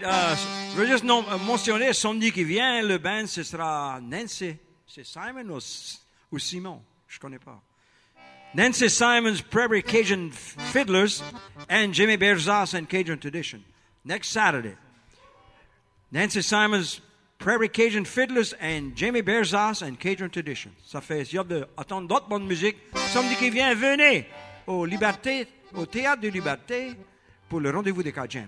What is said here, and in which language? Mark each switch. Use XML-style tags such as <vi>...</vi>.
<fr>Je veux juste mentionner, samedi qui vient, le band, ce sera Nancy. C'est Simon ou Simon? Je ne connais pas.</fr> <en>Nancy Simon's Prairie Cajun Fiddlers and Jimmy Berzas and Cajun Tradition. Next Saturday, Nancy Simon's Prairie Cajun Fiddlers and Jamie Bearzaz and Cajun Tradition.</en> <fr>Ça fait si hâte d'entendre d'autres bonnes musiques. Samedi qui vient, venez au Liberté, au Théâtre de Liberté pour le rendez-vous des Cajuns.</fr>